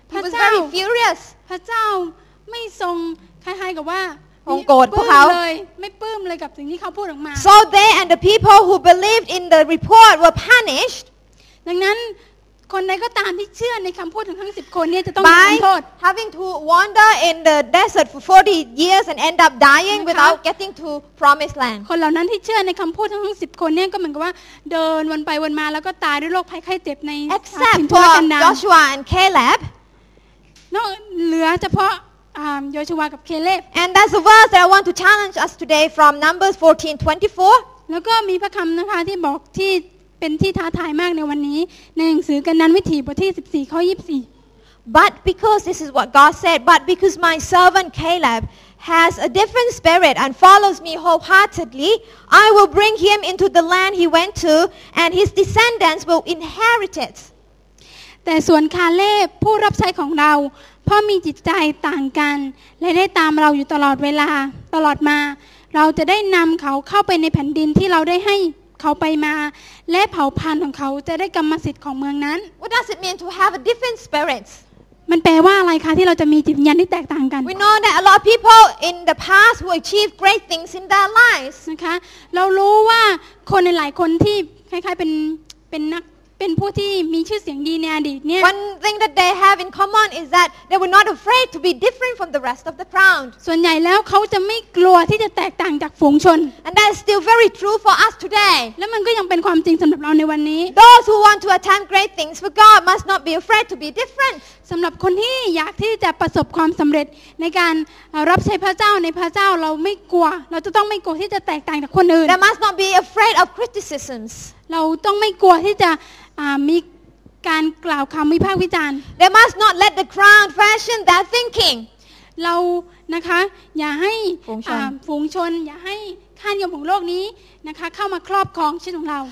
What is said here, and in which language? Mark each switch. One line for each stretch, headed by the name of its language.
English: He was very furious.
Thai: พระเจ้าไม่ทรงคล้ายๆกับว่า โกรธพวกเขา เลยไม่ปลื้มเลยกับสิ่งที่เขาพูดออกมา
English: So they and the people who believed in the report were punished.
Thai: ดังนั้นคนใดก็ตามที่เชื่อในคำพูดของทั้ง10คนเนี่ยจะต้องโดนโทษ
English: Having to wander in the desert for 40 years and end up dying without getting to promised land
Thai: คนเหล่านั้นที่เชื่อในคำพูดทั้ง10คนเนี่ยก็เหมือนกับว่าเดินวนไปวนมาแล้วก็ตายด้วยโรคภัยไข้เจ็บใน แคมป์ทุรกันดาร Joshua and Caleb นอกเหลือเฉพาะโยชูวากับเคเลบ
English: And that's the verse that I want to challenge us today from Numbers 14:24
Thai: แล้วก็มีพระคำนะคะที่บอกที่เป็นที่ท้าทายมากในวันนี้ในหนังสือกันนั้นวิถีบทที่14ข้อ24
English: But because this is what God said but because my servant Caleb has a different spirit and follows me wholeheartedly I will bring him into the land he went to and his descendants will inherit it
Thai: แต่ส่วนคาเลบผู้รับใช้ของเราเพราะมีจิตใจต่างกันและได้ตามเราอยู่ตลอดเวลาตลอดมาเราจะได้นำเขาเข้าไปในแผ่นดินที่เราได้ให้เขาไปมาและเผ่าพันธุ์ของเขาจะได้กรรมสิทธิ์ของเมืองนั้น
English: What does it mean to have a different spirit?
Thai: มันแปลว่าอะไรคะที่เราจะมีจิตวิญญาณที่แตกต่างกัน
English: We know that a lot of people in the past who achieved great things in their lives
Thai: นะคะเรารู้ว่าคนหลายคนที่คล้ายๆเป็นนักเป็นผู้ที่มีชื่อเสียงดีในอดีตเนี่ย
English: One thing that they have in common is that they were not afraid to be different from the rest of the crowd
Thai: ส่วนใหญ่แล้วเขาจะไม่กลัวที่จะแตกต่างจากฝูงชน
English: And that is still very true for us today
Thai: และมันก็ยังเป็นความจริงสำหรับเราในวันนี้
English: Those who want to attempt great things for God must not be afraid to be different
Thai: สำหรับคนที่อยากที่จะประสบความสำเร็จในการรับใช้พระเจ้าในพระเจ้าเราไม่กลัวเราจะต้องไม่กลัวที่จะแตกต่างจากคนอื่น
English: They must not be afraid of criticisms
Thai: เราต้องไม่กลัวที่จะมีการกล่าวคำวิพากษ์วิจารณ์
English: They must not let the crowd fashion their thinking
Thai: เรานะคะอย่าให้ ฝูงชนอย่าให้ข้านิยมของโลกนี้นะคะเข้ามาครอบครองชีวิตของเรา